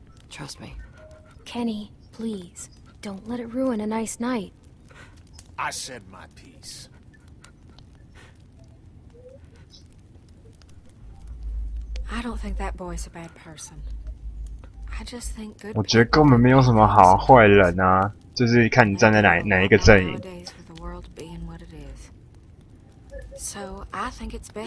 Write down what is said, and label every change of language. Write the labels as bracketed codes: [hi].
[en] Trust me. Kenny, please, don't let it ruin a nice night. I said my piece. I don't think that boy's a bad person. I just think good. [zh] 我觉得根本没有什么好坏人啊，就是看你站在哪一个阵营。 [en] Nowadays, with the world being what it is, so I think it's best.